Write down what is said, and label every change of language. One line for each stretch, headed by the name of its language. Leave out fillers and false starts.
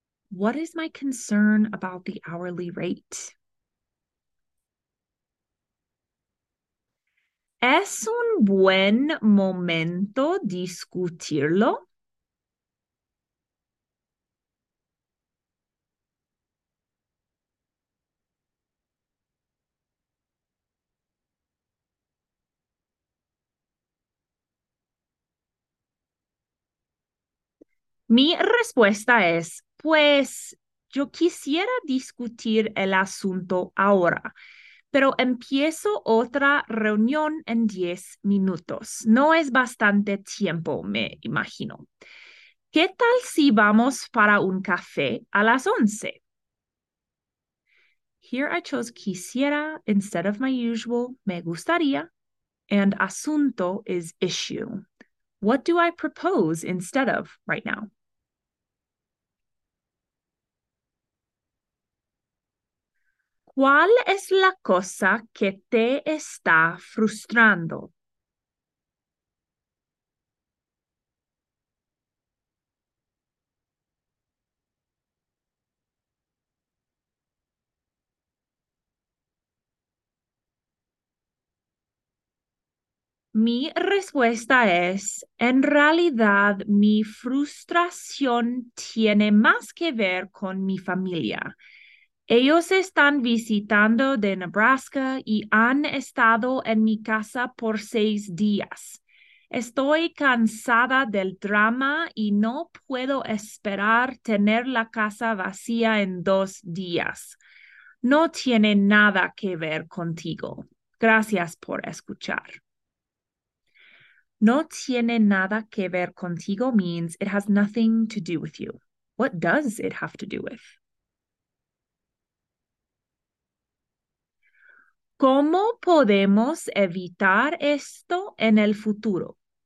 English: What is my concern about the hourly rate?
Spanish: ¿Es un buen momento discutirlo? Mi respuesta es, pues, yo quisiera discutir el asunto ahora, pero empiezo otra reunión en 10 minutos. No es bastante tiempo, me imagino. ¿Qué tal si vamos para un café a las 11?
English: Here I chose quisiera instead of my usual me gustaría, and asunto is issue. What do I propose instead of right now?
Spanish: ¿Cuál es la cosa que te está frustrando? Mi respuesta es, en realidad, mi frustración tiene más que ver con mi familia. Ellos están visitando de Nebraska y han estado en mi casa por 6 días. Estoy cansada del drama y no puedo esperar tener la casa vacía en 2 días. No tiene nada que ver contigo. Gracias por escuchar. No tiene nada que ver contigo
English: means it has nothing to do with you. What does it have to do with?
Spanish: ¿Cómo podemos evitar esto en el futuro?